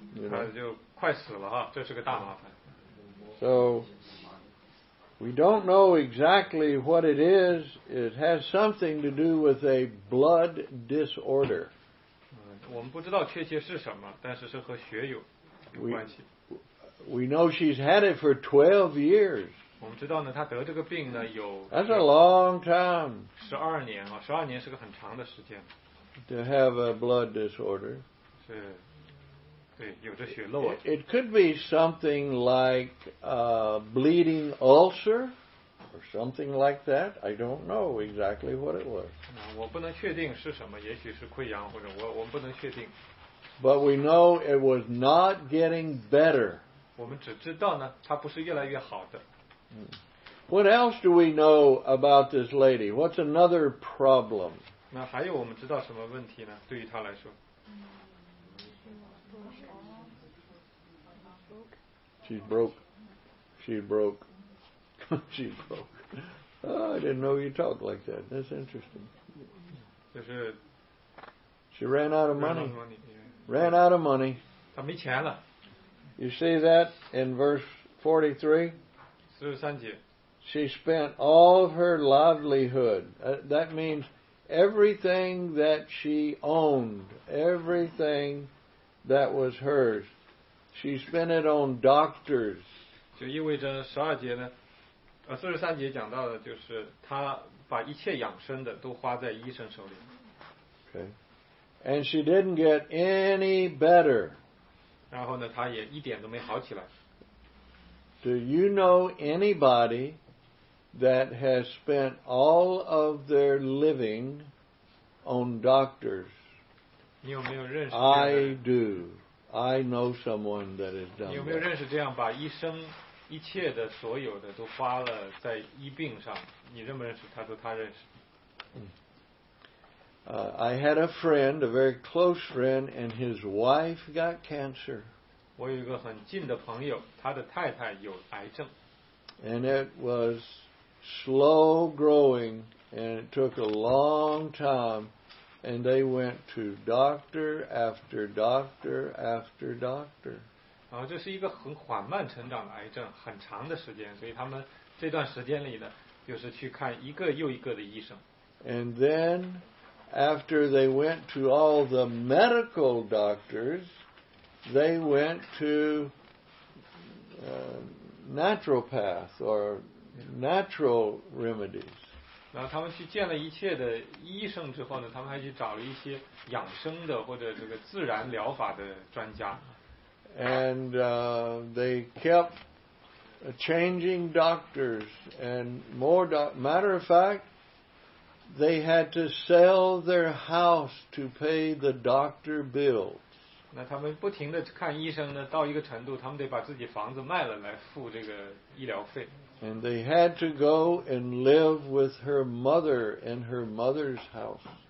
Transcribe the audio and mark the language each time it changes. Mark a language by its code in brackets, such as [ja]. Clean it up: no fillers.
[zh] 她就快死了哈，这是个大麻烦。 [en] So. We don't know exactly what it is. It has something to do with a blood disorder. [zh] 我们不知道确切是什么，但是是和血有关系。 [en] We know she's had it for 12 years. [zh] 我们知道呢，她得这个病呢有。 [en] That's a long time. [zh] 十二年啊，十二年是个很长的时间。 [en] To have a blood disorder. [zh] 是，对，有着血漏啊。 [en] It could be something like a bleeding ulcer or something like that. I don't know exactly what it was. [zh] 我不能确定是什么，也许是溃疡或者我们不能确定。 [en] But we know it was not getting better. [zh] 我们只知道呢，它不是越来越好的。 [en] What else do we know about this lady? What's another problem? [zh] 那还有我们知道什么问题呢？对于她来说。 [en] She's broke. She's broke. Oh, I didn't know you talked like that. That's interesting. She ran out of money. Ran out of money. [zh] 她没钱了。 [en] You see that in verse 43? [zh] 43节。 [en] She spent all of her livelihood. That means everything that she owned, everything that was hers, she spent it on doctors. [zh] 就意味着十二节呢，四十三节讲到的就是她把一切养生的都花在医生手里。 [en] Okay. And she didn't get any better. [zh] 然后呢，她也一点都没好起来。 [en] Do you know anybody that has spent all of their living on doctors? [zh] 你有没有认识？ [en] I do. I know someone that has done. [zh] 你有没有认识这样把医生一切的所有的都花了在医病上？你认不认识？他说他认识。 [en] I had a friend, a very close friend, and his wife got cancer. [zh] 我有一个很近的朋友，他的太太有癌症。 [en] And it was slow growing, and it took a long time, and they went to doctor after doctor after doctor. [zh] 然后这是一个很缓慢成长的癌症，很长的时间，所以他们这段时间里呢，就是去看一个又一个的医生。 [en] And then, after they went to all the medical doctors,They went to naturopath or natural remedies. [zh] 然后他们去见了一切的医生之后呢，他们还去找了一些养生的或者这个自然疗法的专家。 [en] And they kept changing doctors and more. Matter of fact, they had to sell their house to pay the doctor bill. [zh] 那他们不停地看医生呢，到一个程度，他们得把自己房子卖了来付这个医疗费。 [en] And they had to go and live with her mother in her mother's house.